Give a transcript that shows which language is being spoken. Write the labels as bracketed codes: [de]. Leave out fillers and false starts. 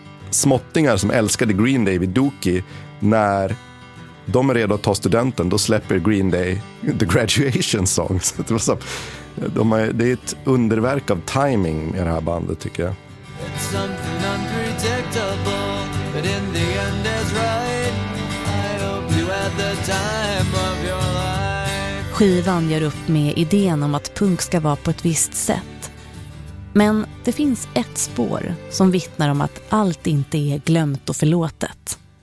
[sv] Småttingar som älskade Green Day vid Dookie, när de är redo att ta studenten, då släpper Green Day The Graduation Song. Så det, var så, de är, det är ett underverk av timing i det här bandet tycker jag. [en] It's something unpredictable. But in the end is right. I hope you had the time of your life. [sv] Skivan gör upp med idén om att punk ska vara på ett visst sätt. Men det finns ett spår som vittnar om att allt inte är glömt och förlåtet.